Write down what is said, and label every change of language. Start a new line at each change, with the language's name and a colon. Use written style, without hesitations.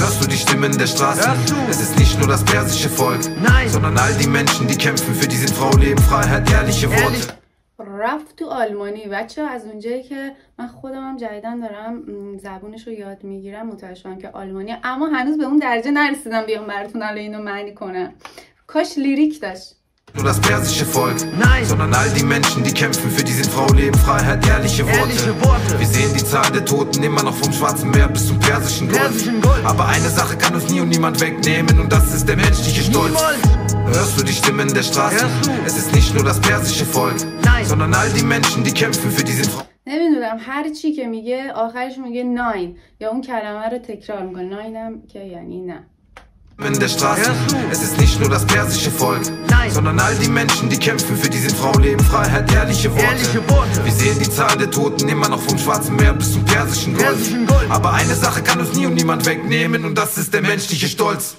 German: Die Stimmen der Straßen, es ist nicht nur das persische Volk, sondern all die Menschen, die kämpfen für diesen Frau Leben, Freiheit, ehrliche Worte.
Persian: رفت تو آلمانی بچه. از اونجایی که من خودم هم جدیدن دارم زبونش رو یاد میگیرم متوجه شدم که آلمانی، اما هنوز به اون درجه نرسیدم بیام براتون الان اینو معنی کنم. کاش لیریک داشت.
German: Nur das persische Volk, nein, sondern all die Menschen, die kämpfen für diesen Frauenleben, Freiheit, ehrliche Worte. Ehrliche Worte. Wir sehen die Zahl der Toten immer noch vom Schwarzen Meer bis zum Persischen Golf. Persischen Golf. Aber eine Sache kann uns nie und niemand wegnehmen, und das ist der menschliche Stolz. Niemals. Hörst du die Stimmen der Straßen? Es ist nicht nur das persische Volk, nein, sondern all die Menschen, die kämpfen für diesen Frauen.
Persian: نمیدونم هر چی که میگه آخرش میگه ناین، یا اون کلمه رو تکرار میکنه، ناینم که یعنی نه.
German: In der Straße. Es ist nicht nur das persische Volk, nein, sondern all die Menschen, die kämpfen für diese Frau, Leben, Freiheit, ehrliche Worte. Ehrliche Worte. Wir sehen die Zahl der Toten immer noch vom Schwarzen Meer bis zum Persischen Golf. Persischen Golf. Aber eine Sache kann uns nie und niemand wegnehmen, und das ist der menschliche Stolz.